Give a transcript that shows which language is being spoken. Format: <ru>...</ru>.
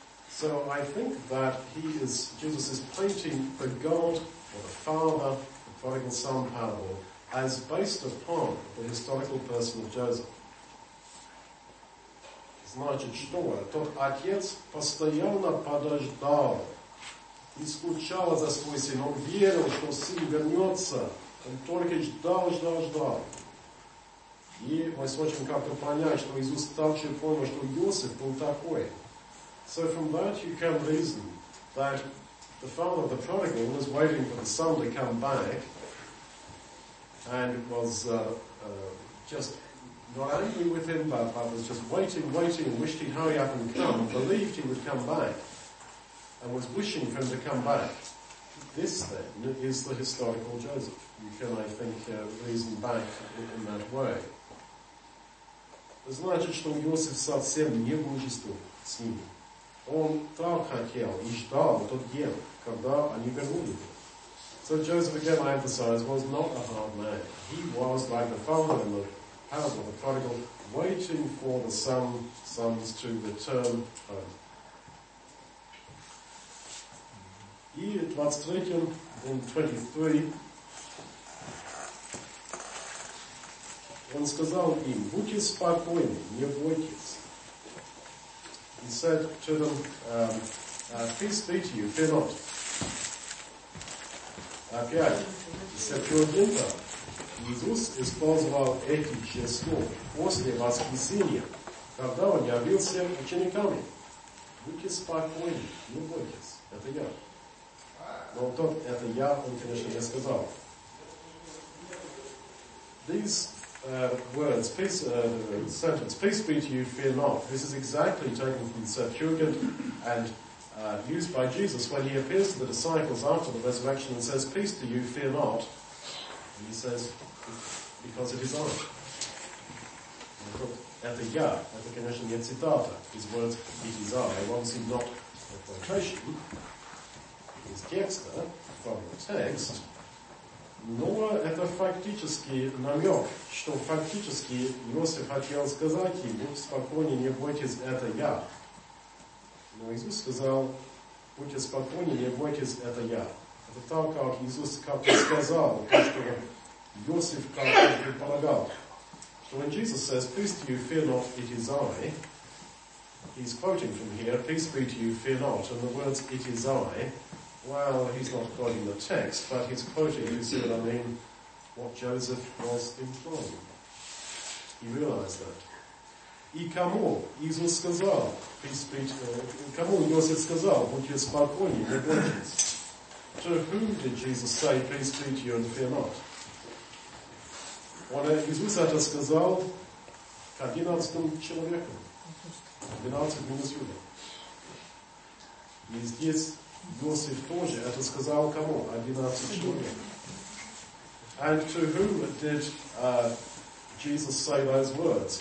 <en>So I think that Jesus is painting the God or the Father, the prodigal son parable, as based upon the historical person of Joseph.</en> <ru>Значит, что тот отец постоянно подождал и скучал за свой сын. Он верил, что сын вернется. Он только ждал. И мы сможем как-то понять, что Иисус стал чем-то, что Иосиф был такой.</ru> <en>So from that you can reason that the father of the prodigal was waiting for the son to come back and was just not angry with him, but was just waiting, and wished he hurry up and come, believed he would come back, and was wishing for him to come back. This, then, is the historical Joseph. You can, I think, reason back in that way.</en> <ru>Значит, что Иосиф совсем не мужествовал с ним. Он так хотел и ждал тот день, когда они вернулись.</ru> <en>So Joseph, again, I emphasize, was not a hard man. He was like the father in the parable of the prodigal, waiting for the sons to return home.</en> <ru>И 23</ru> <en>and 23,</en> <ru>он сказал им, будьте спокойны, не бойтесь.</ru> <en>He said to them, peace be to you, fear not.</en> <ru>Опять,</ru> <en>he said to them,</en> <ru>Иисус использовал эти числа после воскресения, когда он явился учениками. Будьте спокойны, не бойтесь, это я. Но тот, это я, он, конечно, не сказал.</ru> <en>These words, sentence, peace be to you, fear not. This is exactly taken from the Septuagint and used by Jesus when he appears to the disciples after the resurrection and says, peace to you, fear not. And he says, because it is on.</en> <ru>Это я, это, конечно, не цитата.</ru> <en>His words, it is I. Obviously not a quotation.</en> <ru>Из текста,</ru> <en>from the text,</en> <ru>но это фактически намек, что фактически Иосиф хотел сказать ему, спокойнее не бойтесь, это я. Но Иисус сказал, будьте спокойнее, не бойтесь, это я. Это так, как Иисус как-то сказал, то, что Иосиф как-то предполагал.</ru> <en>So when Jesus says, peace to you, fear not, it is I, he's quoting from here, peace be to you, fear not, and the words, it is I, well, he's not quoting the text, but he's quoting, you see what I mean, what Joseph was implying. He realized that.</en> <ru>И кому Иисус сказал,</ru> <en>peace be to you,</en> <ru>кому Иосиф сказал, будьте спокойны, не бойтесь.</ru> <en>To whom did Jesus say, peace be to you and fear not?</en> <ru>Он Иисус это сказал к 11 человеку, 12 минус Юда. И здесь Иосиф тоже это сказал кому? 11 человек.</ru> <en>And to whom did Jesus say those words?</en>